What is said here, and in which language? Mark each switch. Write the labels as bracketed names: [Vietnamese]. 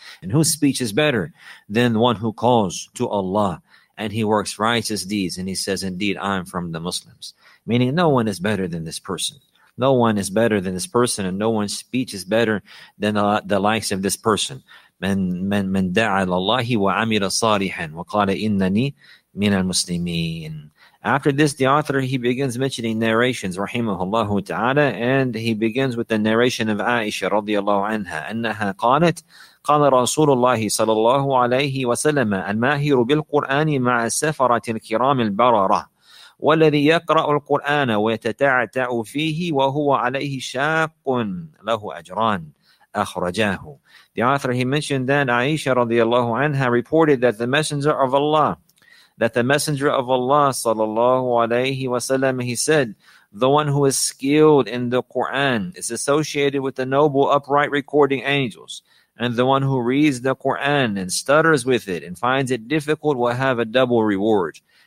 [English] And whose speech is better than one who calls to Allah and he works righteous deeds and he says, indeed, I'm from the Muslims. Meaning no one is better than this person. No one is better than this person, and no one's speech is better than the likes of this person. [Arabic] من دعا لله وعمل صالحا وقال إنني من المسلمين. [English] After this, the author, he begins mentioning narrations, rahimahullahu ta'ala, and he begins with the narration of Aisha radiallahu anha. [Arabic] أنها قالت قال رسول الله صلى الله عليه وسلم الماهر بالقرآن مع السفرة الكرام البررة والذي يقرأ القرآن ويتتعتع فيه وهو عليه شاق له أجران أخرجاه. [English] The author, he mentioned that Aisha radiallahu anha reported that the messenger of Allah sallallahu alayhi wasallam, he said, the one who is skilled in the Quran is associated with the noble upright recording angels, and the one who reads the Quran and stutters with it and finds it difficult will have a double reward.